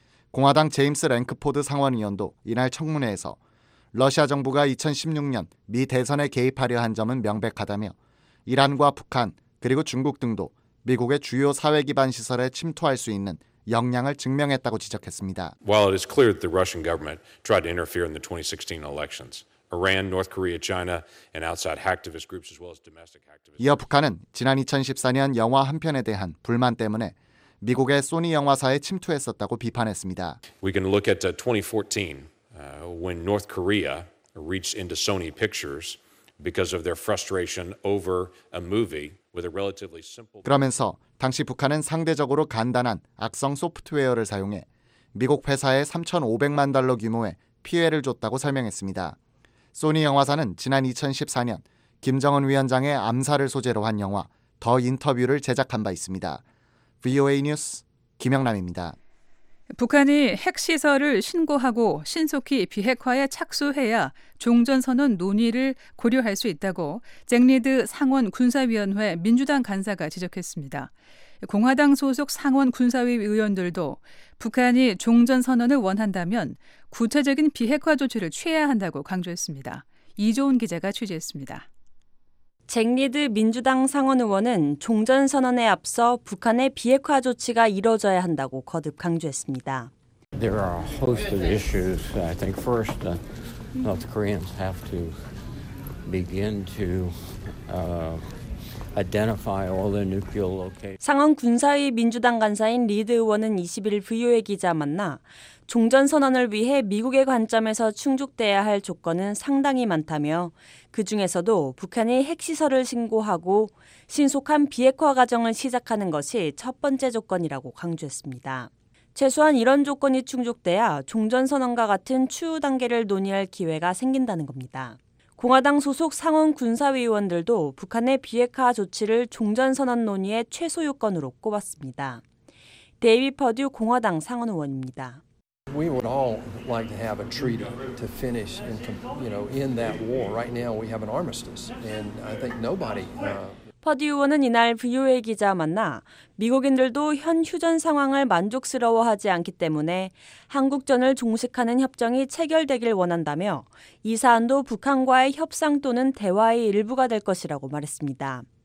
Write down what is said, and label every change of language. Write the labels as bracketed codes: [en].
[ko] 공화당 제임스 랭크포드 상원의원도 이날 청문회에서 러시아 정부가 2016년 미 대선에 개입하려 한 점은 명백하다며 이란과 북한 그리고 중국 등도 미국의 주요 사회 기반 시설에 침투할 수 있는 역량을 증명했다고 지적했습니다. [en] While it is clear that the Russian government tried to interfere in the 2016 elections, Iran, North Korea, China, and outside hacktivist groups as well as domestic hacktivist. [ko] 이어 북한은 지난 2014년 영화 한 편에 대한 불만 때문에 미국의 소니 영화사에 침투했었다고 비판했습니다. [en] We can look at 2014 when North Korea reached into Sony Pictures because of their frustration over a movie. [ko] 그러면서 당시 북한은 상대적으로 간단한 악성 소프트웨어를 사용해 미국 회사에 3,500만 달러 규모의 피해를 줬다고 설명했습니다. 소니 영화사는 지난 2014년 김정은 위원장의 암살을 소재로 한 영화 더 인터뷰를 제작한 바 있습니다. VOA 뉴스 김영남입니다. 북한이 핵시설을 신고하고 신속히 비핵화에 착수해야 종전선언 논의를 고려할 수 있다고 잭리드 상원 군사위원회 민주당 간사가 지적했습니다. 공화당 소속 상원 군사위 의원들도 북한이 종전선언을 원한다면 구체적인 비핵화 조치를 취해야 한다고 강조했습니다. 이조은 기자가 취재했습니다. 잭리드 민주당 상원 의원은 종전선언에 앞서 북한의 비핵화 조치가 이뤄져야 한다고 거듭 강조했습니다. [en] There are a host of issues. I think first North Koreans have to begin to identify all their nuclear locations. [ko] 상원 군사위 민주당 간사인 리드 의원은 20일 VOA 기자 만나 종전선언을 위해 미국의 관점에서 충족돼야 할 조건은 상당히 많다며 그중에서도 북한이 핵시설을 신고하고 신속한 비핵화 과정을 시작하는 것이 첫 번째 조건이라고 강조했습니다. 최소한 이런 조건이 충족돼야 종전선언과 같은 추후 단계를 논의할 기회가 생긴다는 겁니다. 공화당 소속 상원 군사위 의원들도 북한의 비핵화 조치를 종전선언 논의의 최소 요건으로 꼽았습니다. 데이비 퍼듀 공화당 상원 의원입니다. [en] We would all like to have a treaty to finish in, you know, in that war. Right now we have an armistice and I think nobody [ko] 퍼디 의원은 이날 VOA 기자와 만나 미국인들도 현 휴전 상황을 만족스러워하지 않기 때문에 한국전을 종식하는 협정이 체결되길 원한다며 이 사안도 북한과의 협상 또는 대화의 일부가 될 것이라고 말했습니다.